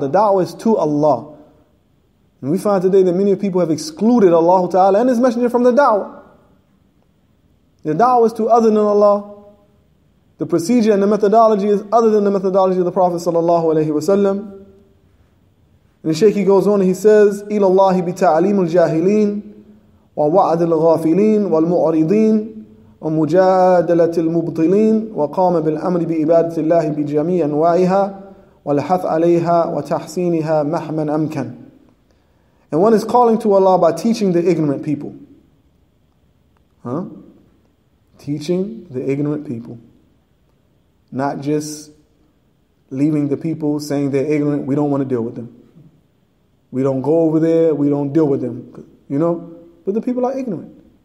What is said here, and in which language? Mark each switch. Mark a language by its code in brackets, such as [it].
[en] The da'wah is to Allah. And we find today that many people have excluded Allah Ta'ala and His Messenger from the da'wah. The da'wah is to other than Allah. The procedure and the methodology is other than the methodology of the Prophet Sallallahu Alaihi Wasallam. And the Shaykh, he goes on and he says, [ar] إِلَى اللَّهِ بِتَعْلِيمُ الْجَاهِلِينَ وَوَعَدِ الْغَافِلِينَ وَالْمُعْرِضِينَ وَمُجَادَلَةِ الْمُبْطِلِينَ وَقَامَ بِالْأَمْرِ بِإِبَادَةِ اللَّهِ بِجَمِيعِ أَنْوَائِهَا وَالْحَثْ عَلَيْهَا وَتَحْسِينِهَا مَحْمًا أَمْكَنَ. [en] And one is calling to Allah by teaching the ignorant people. Huh? Teaching the ignorant people. Not just leaving the people saying they're ignorant, we don't want to deal with them. We don't go over there, we don't deal with them. You know? But the people are ignorant.